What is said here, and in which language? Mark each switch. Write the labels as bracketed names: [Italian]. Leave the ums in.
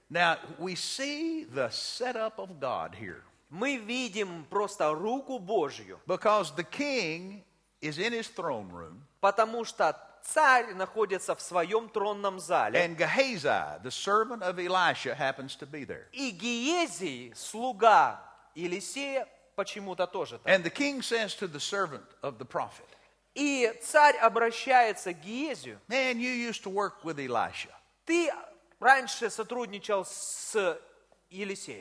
[Russian] Мы видим просто руку Божью. потому что царь находится в своем тронном зале. [English] And Gehazi, the servant of Elisha, happens to be there. [Russian] И Гиезий, слуга Елисея, почему-то тоже там. [English] And the king says to the servant of the prophet, [Russian] и царь обращается к Гиезию. [English] Man, you used to work with Elisha. [Russian] Ты раньше сотрудничал с Елисеем.